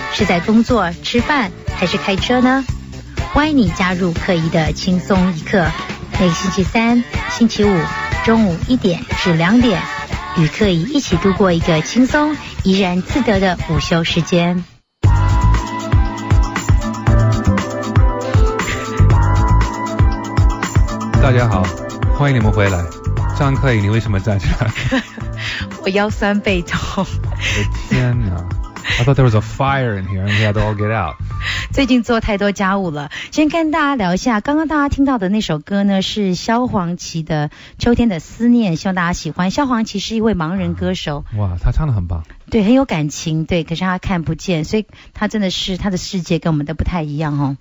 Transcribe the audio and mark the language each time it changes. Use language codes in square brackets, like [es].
[zh] 是在工作、吃饭，还是开车呢？欢迎你加入刻意的轻松一刻，每星期三、星期五中午1点至2点，与刻意一起度过一个轻松、怡然自得的午休时间。大家好，欢迎你们回来。张刻意，你为什么在这儿？我腰酸背痛。天哪！ [en] I thought there was a fire in here and we had to all get out. [zh] 最近做太多家务了。先跟大家聊一下，刚刚大家听到的那首歌呢，是萧煌奇的《秋天的思念》，希望大家喜欢。萧煌奇是一位盲人歌手。哇，他唱得很棒。对，很有感情，对，可是他看不见，所以他真的是，他的世界跟我们的不太一样哦。